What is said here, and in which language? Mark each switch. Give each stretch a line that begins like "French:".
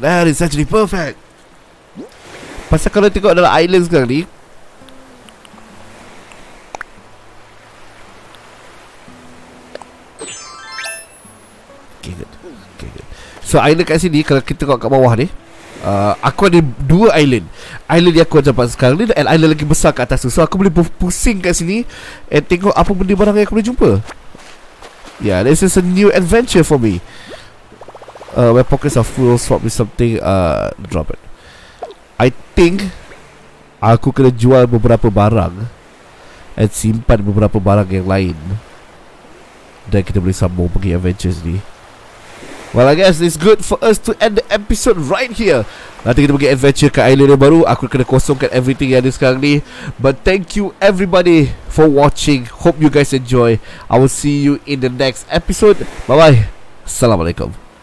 English: That is actually perfect.
Malay: Pasal kalau tengok dalam island sekarang ni, so island kat sini, kalau kita tengok kat bawah ni, aku ada dua island. Island yang aku dapat sekarang ni dan island lagi besar kat atas tu. So aku boleh pusing kat sini and tengok apa benda barang yang aku boleh jumpa.
English: Yeah, this is a new adventure for me. My pockets are full, swap me something, drop it. I think
Malay: aku kena jual beberapa barang and simpan beberapa barang yang lain, dan kita boleh sambung pergi adventures ni.
English: Well, I guess it's good for us to end the episode right here.
Malay: Nanti kita pergi adventure ke island yang baru. Aku kena kosongkan everything yang ada sekarang ni.
English: But thank you everybody for watching. Hope you guys enjoy. I will see you in the next episode. Bye-bye. Assalamualaikum.